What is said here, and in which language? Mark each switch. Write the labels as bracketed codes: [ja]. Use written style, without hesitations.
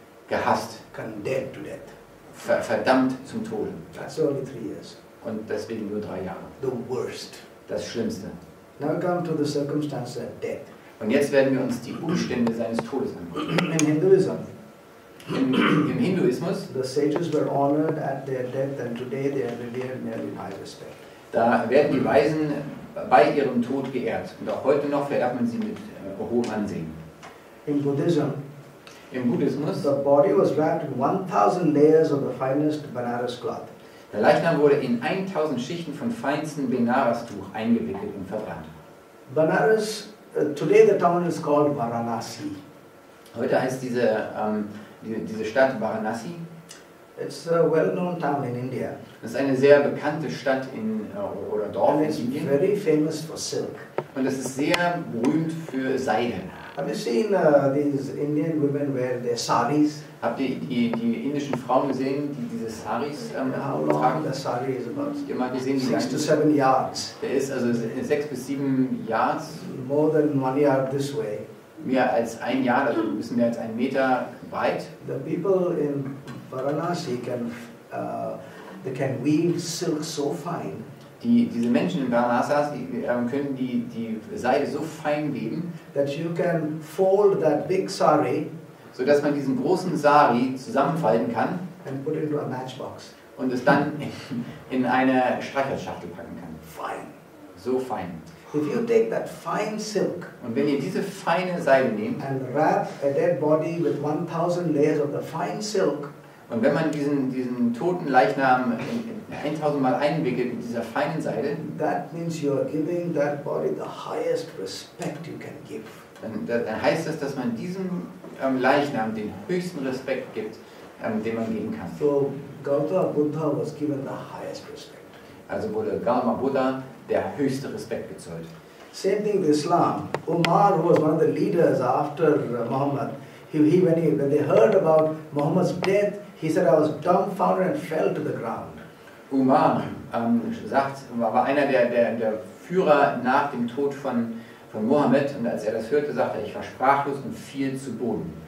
[de] Gehasst. [en] Condemned to death. [de] Verdammt zum Tode. [en] That's only 3 years. [de] Und deswegen nur 3 Jahre. [en] The worst. [de] Das Schlimmste. [en] Now come to the circumstances of death. [de] Und jetzt werden wir uns die Umstände seines Todes ansehen. [en] In Hinduism. [de] Im Hinduismus. [en] The sages were honored at their death, and today they are revered nearly in high respect. [de] Da werden die Weisen bei ihrem Tod geehrt, und auch heute noch verehrt man sie mit hohem Ansehen. [en] In Buddhism. [de] Im Buddhismus. [en] The body was wrapped in 1,000 layers of the finest Banaras cloth. [de] Der Leichnam wurde in 1,000 Schichten von feinstem Benares-Tuch eingewickelt und verbrannt. [en] Banaras, today the town is called Varanasi. [de] Heute heißt diese diese Stadt Varanasi. [en] It's a well-known town in India. [de] Das ist eine sehr bekannte Stadt in oder Dorf in Indien. [en] Very famous for silk. [de] Und es ist sehr berühmt für Seide. [en] Have you seen these Indian women wear their saris? [de] Habt ihr die indischen Frauen gesehen, die diese Saris tragen? [en] The sari is about [de] gesehen, [en] 6 to 7 yards. [de] Der ist also 6 bis 7 yards. [en] More than 1 yard this way. [de] Mehr als 1 Yard, also ein bisschen mehr als 1 Meter breit. [en] The people in Varanasi can they can weave silk so fine. [de] Diese Menschen in Varanasi können die Seide so fein weben, [en] that you can fold that big sari, [de] so dass man diesen großen Sari zusammenfalten kann [en] and put into a matchbox. [de] Und es dann in eine Streichholzschachtel packen kann. [en] Fine. [de] So fein. [en] If you take that fine silk, [de] und wenn ihr diese feine Seide nehmt [en] and wrap a dead body with 1,000 layers of the fine silk, [de] und wenn man diesen toten Leichnam 1,000 Mal einwickelt mit dieser feinen Seide, [en] that means you are giving that body the highest respect you can give. [de] Dann heißt das, dass man diesem Leichnam den höchsten Respekt gibt, den man geben kann. [en] So Gautama Buddha was given the highest respect. [de] Also wurde Gautama Buddha der höchste Respekt gezollt. [en] Same thing with Islam. Umar, who was one of the leaders after Muhammad, when they heard about Muhammad's death, he said, "I was dumbfounded and fell to the ground." [de] Umar war einer der Führer nach dem Tod von Muhammad, und als er das hörte, sagte er, ich war sprachlos und fiel zu Boden.